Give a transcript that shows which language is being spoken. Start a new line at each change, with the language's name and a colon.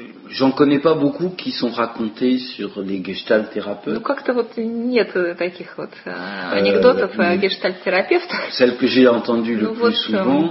French: J'en connais pas beaucoup qui sont racontés sur les gestalt-thérapeutes.
Russian: Ну как-то вот нет таких вот анекдотов о гештальт-терапевтах.
French: Celle que j'ai entendue le plus souvent.